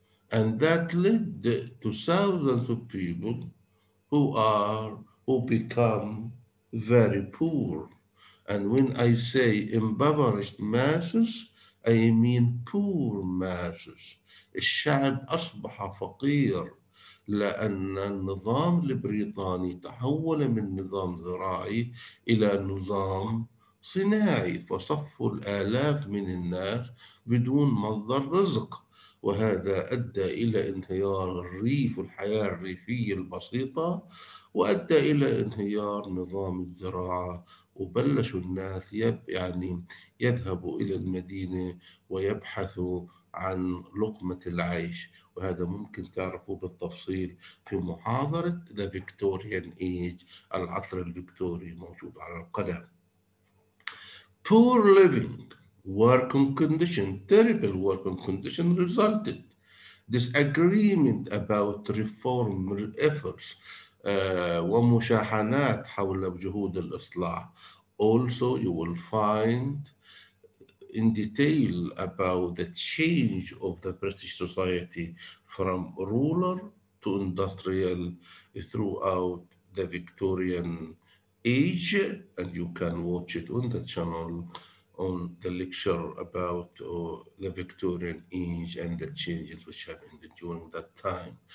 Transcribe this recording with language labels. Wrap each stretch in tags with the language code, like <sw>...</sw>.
<en>And that led to thousands of people who become very poor. And when I say impoverished masses, I mean poor masses.</en> <ar>الشعب أصبح فقير لأن النظام البريطاني تحول من نظام زراعي إلى نظام صناعي فصفوا الآلاف من الناس بدون مصدر رزق وهذا أدى إلى انهيار الريف والحياة الريفية البسيطة وأدى إلى انهيار نظام الزراعة وبلشوا الناس يذهبوا إلى المدينة ويبحثوا عن لقمة العيش وهذا ممكن تعرفوا بالتفصيل في محاضرة The Victorian Age العصر الفكتوري موجود على القلم.</ar> <en>Poor living, working condition, terrible working condition resulted. Disagreement about reform efforts</en> <ar>ومشاحنات حول جهود الإصلاح.</ar> <en>Also, you will find in detail about the change of the British society from rural to industrial throughout the Victorian age, and you can watch it on the channel on the lecture about the Victorian age and the changes which happened during that time.</en>